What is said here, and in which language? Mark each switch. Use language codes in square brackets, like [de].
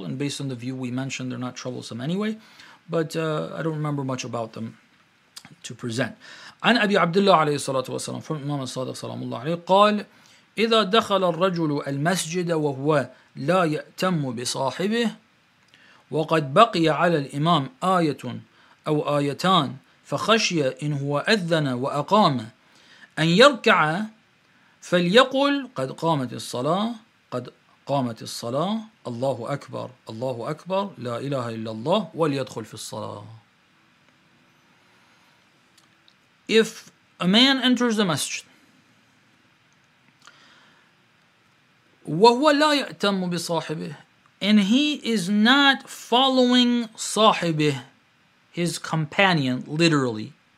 [en] And based on the view we mentioned, they're not troublesome anyway. But I don't remember much about them to present. An Abi Abdullah alayhi salatu wasalam, from Imam al-Sadiq [ar] salamullah alayhi, قال, إذا دخل الرجل المسجد وهو لا يأتم بصاحبه وقد بقي على الإمام آية أو آيتان فخشي إن هو أذن وأقام أن يركع فليقل قد قامت الصلاة قد قامت الصلاة الله أكبر الله أكبر لا إله إلا الله وليدخل في الصلاة. [en] If a man enters the masjid [ar] وهو لا يأتم بصاحبه, [en] and he is not following sahibih, his companion, literally.